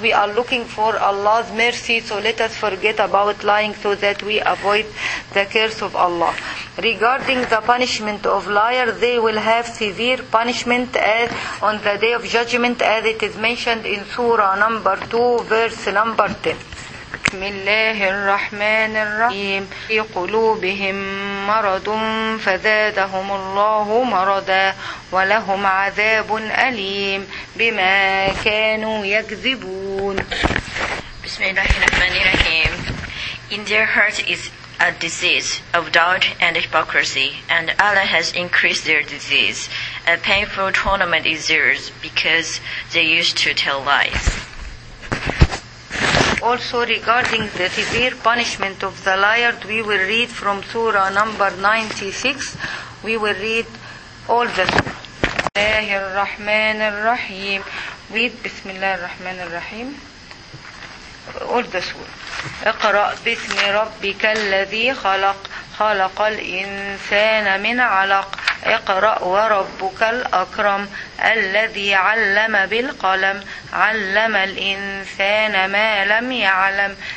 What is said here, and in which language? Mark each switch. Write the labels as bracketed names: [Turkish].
[English] We are looking for Allah's mercy, so let us forget about lying so that we avoid the curse of Allah. Regarding the punishment of liars, they will have severe punishment as on the Day of Judgment, as it is mentioned in Surah number 2, verse number 10. [Arabic] بسم الله الرحمن الرحيم في قلوبهم مرض فزادهم الله مرضا ولهم عذاب أليم بما كانوا يكذبون. بسم الله الرحمن الرحيم. [English] In their heart is a disease of doubt and hypocrisy, and Allah has increased their disease. A painful torment is theirs because they used to tell lies. Also regarding the severe punishment of the liars, we will read from Surah number 96. We will read all the surah. [Arabic] الله الرحمن الرحيم [English] with [Arabic] بسم الله الرحمن الرحيم [English] all the surah. [Arabic] اقرأ باسم ربك الذي خلق خلق الإنسان من علق اقرأ وربك الأكرم الذي علم بالقلم علم الإنسان ما لم يعلم